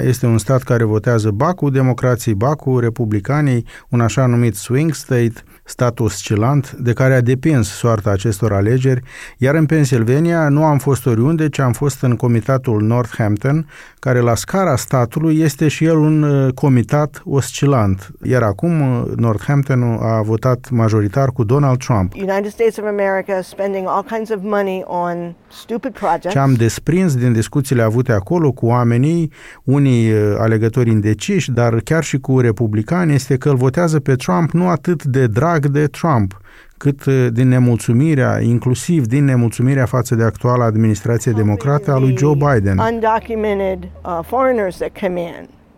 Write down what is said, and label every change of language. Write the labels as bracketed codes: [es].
[ro] Este un stat care votează BACU, democrații BACU, republicanii, un așa numit swing state, stat oscilant, de care a depins soarta acestor alegeri, iar în Pennsylvania nu am fost oriunde, ci am fost în comitatul Northampton, care la scara statului este și el un comitat oscilant. Iar acum Northampton a votat majoritar cu Donald Trump. [en] United States of America spending all kinds of money on stupid projects. [ro] Ce am desprins din discuțiile avute acolo cu oamenii, unii alegători indeciși, dar chiar și cu republicani, este că îl votează pe Trump nu atât de drag de Trump, cât din nemulțumirea, inclusiv din nemulțumirea față de actuala administrație democrată a lui Joe Biden. [en] Undocumented foreigners that come in.